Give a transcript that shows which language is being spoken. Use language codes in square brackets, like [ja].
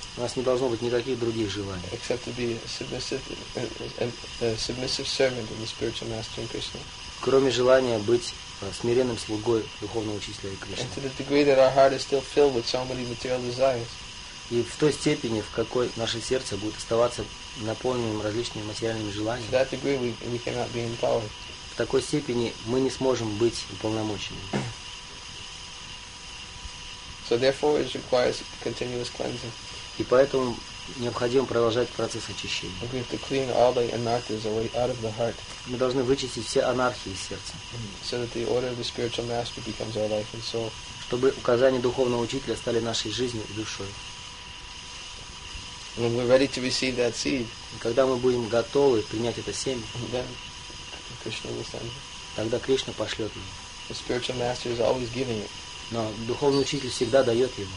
[ru] У нас не должно быть никаких других желаний. [en] Except to be a submissive servant of the spiritual master in Krishna. [ru] Кроме желания быть смиренным слугой духовного учителя Кришны. [en] And to the degree that our heart is still filled with so many material desires. [ru] И в той степени, в какой наше сердце будет оставаться наполненным различными материальными желаниями. [en] To that degree we cannot be empowered. [ru] В такой степени мы не сможем быть уполномоченными. [en] So therefore it requires continuous cleansing. [ru] И поэтому необходимо продолжать процесс очищения. [en] We have to clean all the anarthas away out of the heart. [ru] Мы должны вычистить все анархии из сердца. [en] So that the order of the spiritual master becomes our life and soul. [ru] Чтобы указания духовного учителя стали нашей жизнью и душой. [en] When we're ready to receive that seed, [ru] когда мы будем готовы принять это семя, [en] then Krishna will send it. [ru] Тогда Кришна пошлет его. [en] The spiritual master is always giving it. [ru] Но духовный учитель всегда дает ему.